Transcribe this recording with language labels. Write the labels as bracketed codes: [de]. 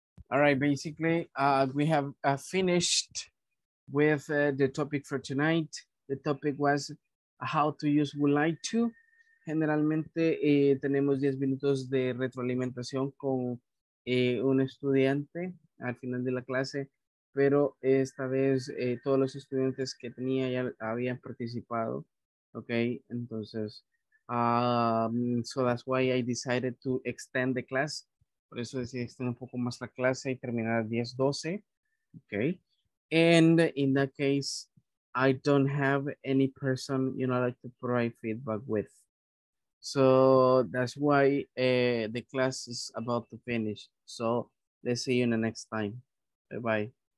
[en] All right, basically, we have finished with the topic for tonight. The topic was how to use would like to. [es] Generalmente tenemos 10 minutos de retroalimentación con un estudiante al final de la clase, pero esta vez todos los estudiantes que tenía ya habían participado. [en] Okay, entonces, so that's why I decided to extend the class. [es] Por eso decidí extender un poco más la clase y terminar a 10:12. [en] Okay. And in that case, I don't have any person, you know, like to provide feedback with. So that's why the class is about to finish. So let's see you in the next time. Bye-bye.